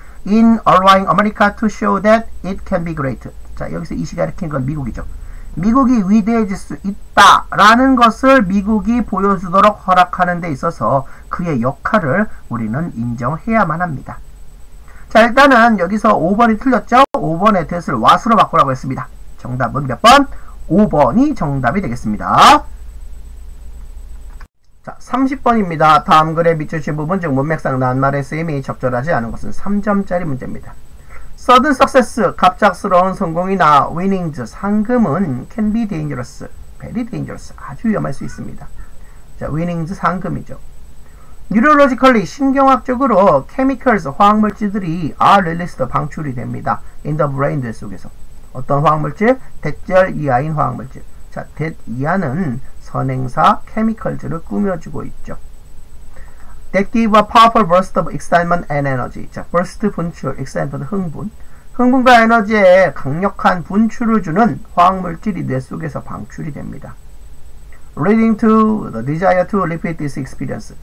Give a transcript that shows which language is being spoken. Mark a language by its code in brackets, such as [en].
[en] in allowing America to show that it can be great. [ko] 자, 여기서 이 시가 읽힌 건 미국이죠. 미국이 위대해질 수 있다라는 것을 미국이 보여주도록 허락하는 데 있어서 그의 역할을 우리는 인정해야만 합니다. 자, 일단은 여기서 5번이 틀렸죠? 5번의 뜻을 what으로 바꾸라고 했습니다. 정답은 몇 번? 5번이 정답이 되겠습니다. 자, 30번입니다. 다음 글에 비추신 부분 중 문맥상 낱말의 쓰임이 적절하지 않은 것은 3점짜리 문제입니다. [en] Sudden success, [ko] 갑작스러운 성공이나 [en] winnings, [ko] 상금은 [en] can be dangerous, very dangerous, [ko] 아주 위험할 수 있습니다. 자, winnings, 상금이죠. Neurologically, 신경학적으로 chemicals, 화학물질들이 [en] are released, [ko] 방출이 됩니다. [en] In the brain [ko] 속에서. 어떤 화학물질? 대절 이하인 화학물질. 자, 대절 이하는 선행사 chemicals를 꾸며주고 있죠. [en] That give a powerful burst of excitement and energy. [ko] 자, burst 분출, excitement 흥분. 흥분과 에너지에 강력한 분출을 주는 화학물질이 뇌 속에서 방출이 됩니다. [en] Leading to the desire to repeat this experience.